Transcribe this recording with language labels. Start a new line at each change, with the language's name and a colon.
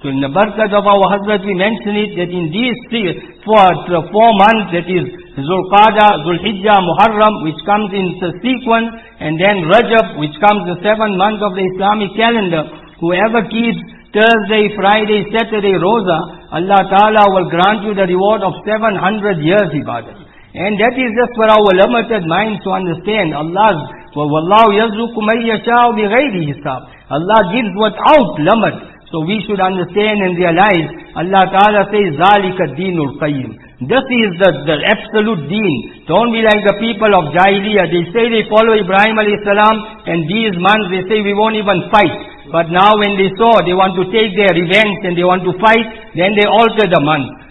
English: So in the barakat of our Hazrat, we mention it, that in these four months, that is Zulqa'dah, Zulhijjah, Muharram, which comes in the sequence, and then Rajab, which comes the 7th month of the Islamic calendar, whoever keeps Thursday, Friday, Saturday, Rosa, Allah Ta'ala will grant you the reward of 700 years ibadah. And that is just for our limited minds to understand. Allah's,
Arabic: وَاللَّهُ يَزُّكُ مَنْ يَشَاءُ بِغَيْرِ حِسَابٍ,
English: Allah gives without limit. So we should understand and realize, Allah Ta'ala says,
Arabic: ذَلِكَ الدِّينُ الْقَيِّمُ,
English: this is the absolute deen. Don't be like the people of Jahiliyyah. They say they follow Ibrahim alayhi salam, and these months they say, we won't even fight. But now when they saw they want to take their revenge and they want to fight, then they alter the month.